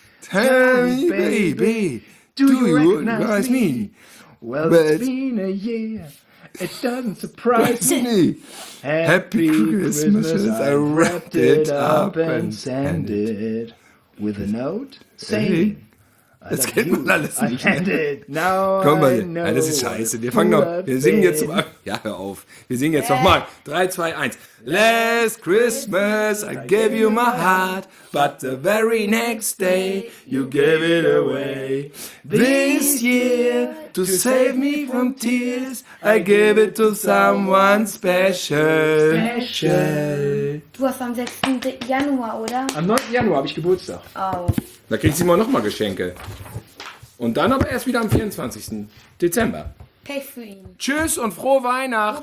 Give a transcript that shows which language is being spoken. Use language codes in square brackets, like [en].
[en] Tell me, baby, do you recognize me? Well, it's been a year, It doesn't surprise me. Happy Christmas. I wrapped it up and sent it with a note saying, [de] das kennt man alles nicht. Komm mal, nein, das ist scheiße. Wir fangen noch. Wir singen jetzt nochmal. Ja, hör auf. Wir singen jetzt nochmal. 3, 2, 1. [en] Last Christmas I gave you my heart, but the very next day you gave it away. This year, to save me from tears, I gave it to someone special. Special. [de] Du hast am 6. Januar, oder? Am 9. Januar habe ich Geburtstag. Oh. Da kriegst du immer noch mal Geschenke. Und dann aber erst wieder am 24. Dezember. Pech für ihn. Tschüss und frohe Weihnachten.